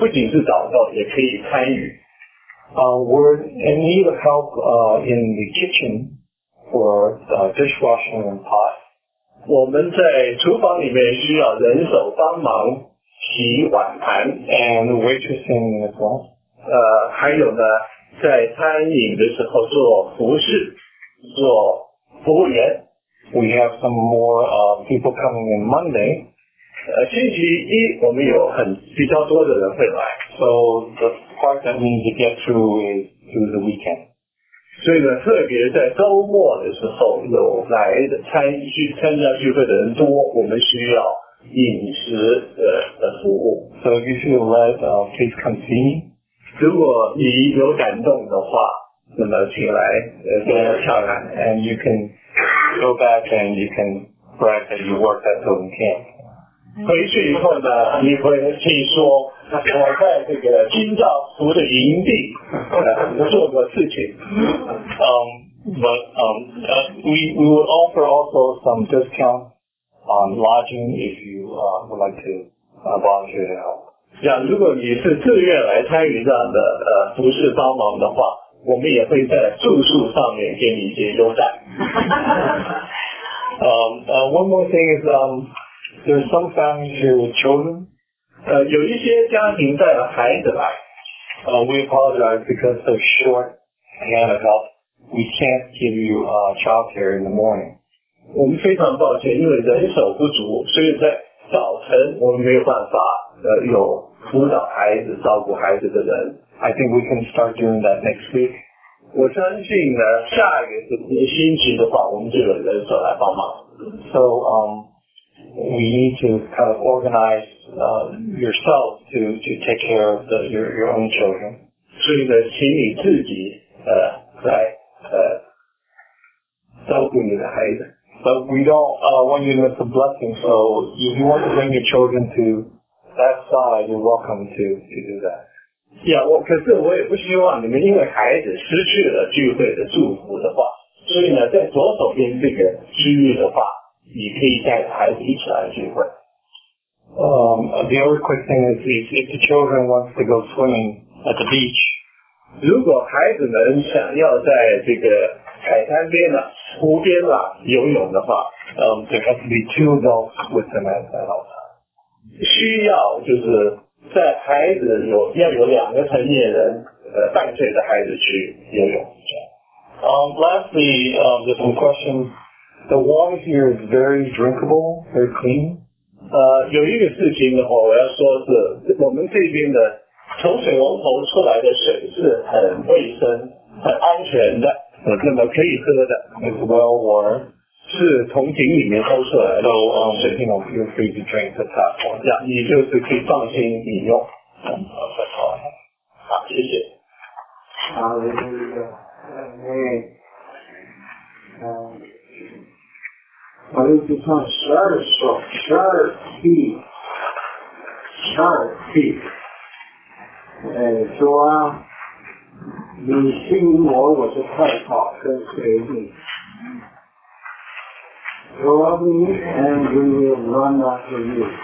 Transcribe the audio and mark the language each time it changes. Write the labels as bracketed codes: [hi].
[zh] 我们有一个祷告的需要呢，我也希望大家不仅是祷告，也可以参与. [en] We're in need of help in the kitchen for dishwashing and pots. [zh] 我们在厨房里面需要人手帮忙洗碗盘 [en] and waitressing as well. [zh] 还有呢，在餐饮的时候做服侍，做服务员。 [en] We have some more people coming in Monday. [zh] 星期一我们有很比较多的人会来。 [en] So the part that we need to get through is through the weekend. [zh] 所以呢，特别在周末的时候有来的参加聚会的人多，我们需要饮食的服务。 [en] So if you let, please continue. [zh] 如果你有感动的话，那么请来跟我跳来。 [en] And you can go back and you can brag that you worked at Golden Camp. [zh] 回去以后呢，你会听说我在这个金兆福的营地做过事情。 [en] We would offer also some discount on lodging if you would like to volunteer to help. [zh] 如果你是自愿来参与这样的服侍帮忙的话，我们也会在住宿上面给你一些优待。 [en] One more thing is, there's some families here with children. [zh] 有一些家庭带了孩子来。 [en] We apologize because of short hand of help. We can't give you child care in the morning. [zh] 我们非常抱歉，因为人手不足，所以在早晨我们没有办法有辅导孩子、照顾孩子的人。 [en] I think we can start doing that next week. [zh] 我相信呢，下一个星期的话，我们就有人手来帮忙。 [en] So, we need to kind of organize, yourself to take care of your own children. [zh] 所以呢，请你自己来照顾你的孩子。 [en] But we don't want you to miss a blessing. So, if you want to bring your children to that side, you're welcome to do that. [zh] Yeah, 可是我也不希望你们因为孩子失去了聚会的祝福的话，所以呢，在左手边这个区域的话，你可以带着孩子一起来聚会。 [en] The other quick thing is if the children wants to go swimming at the beach, [zh] 如果孩子们想要在这个海滩边呢、湖边啦游泳的话， [en] there has to be two adults with them at that time. [zh] 需要就是。在孩子有要有两个成年人半岁的孩子去游泳。 [en] Lastly, there's some questions. The water here is very drinkable, very clean. [zh] 有一个事情的话我要说是我们这边的从水龙头出来的水是很卫生很安全的那么可以喝的。 [en] It's well water. [zh] 是从井里面抽出来的。 [en] So, you know, feel free to drink the tap. [zh] 这样你就是可以放心饮用。好，谢谢。好，谢谢。我就是唱12B。说啊，你信我，我就快跑跟随你。 [en] Draw me and we will run after you.